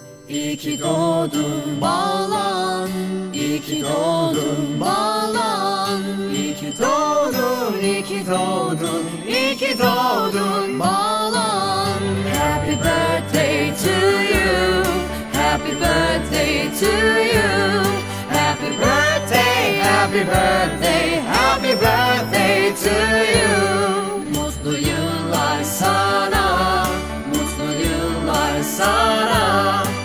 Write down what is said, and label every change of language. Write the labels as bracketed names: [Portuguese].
[Turkish] İyi ki doğdun Balan, İyi ki doğdun Balan, İyi ki doğdun, İyi ki doğdun, İyi ki doğdun Balan. [English] Happy birthday to you, happy birthday to you, happy birthday, happy birthday, happy birthday to you. [Turkish] Mutlu yıllar sana, mutlu yıllar sana.